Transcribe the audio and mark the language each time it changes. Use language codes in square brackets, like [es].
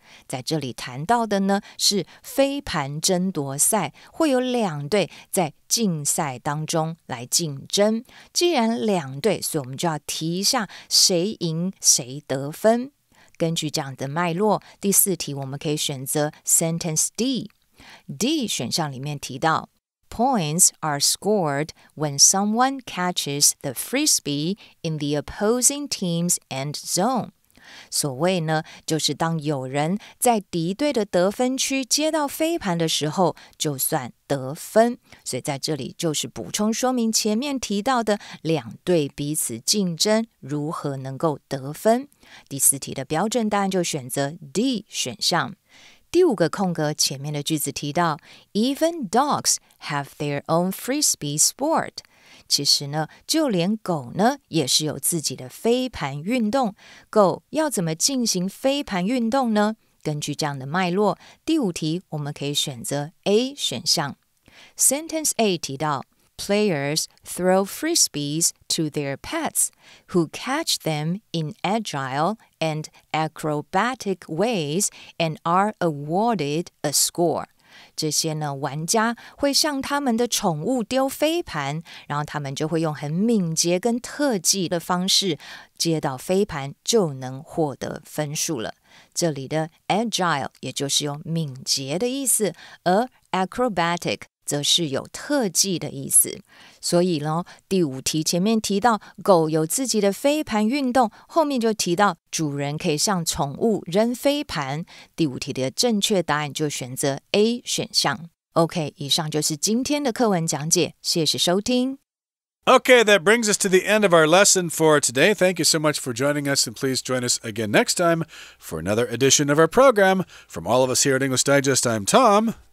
[zh] 在这里谈到的呢是飞盘争夺赛，会有两队在竞赛当中来竞争，既然两队，所以我们就要提一下谁赢谁得分。根据这样的脉络，第四题我们可以选择 Sentence D。 [en] D [zh] 选项里面提到 [en] Points are scored when someone catches the frisbee in the opposing team's end zone。 [zh] 所谓呢，就是当有人在敌队的得分区接到飞盘的时候，就算得分，所以在这里就是补充说明前面提到的两队彼此竞争如何能够得分。第四题的标准答案就选择 D 选项。第五个空格前面的句子提到 [en] Even dogs have their own frisbee sport。 [zh] 其实呢，就连狗呢也是有自己的飞盘运动。狗要怎么进行飞盘运动呢？根据这样的脉络，第五题我们可以选择 A 选项。 [en] Sentence A [zh] 提到 [en] Players throw frisbees to their pets who catch them in agile and acrobatic ways and are awarded a score。 [zh] 这些呢，玩家会向他们的宠物丢飞盘，然后他们就会用很敏捷跟特技的方式接到飞盘，就能获得分数了。这里的 agile 也就是有敏捷的意思，而 acrobatic 则是有特技的意思。所以呢，第五题前面提到狗有自己的飞盘运动，后面就提到主人可以向宠物扔飞盘。第五题的正确答案就选择 A 选项。 OK, 以上就是今天的课文讲解，谢谢收听。 [en] Okay, that brings us to the end of our lesson for today. Thank you so much for joining us, and please join us again next time for another edition of our program. From all of us here at English Digest, I'm Tom.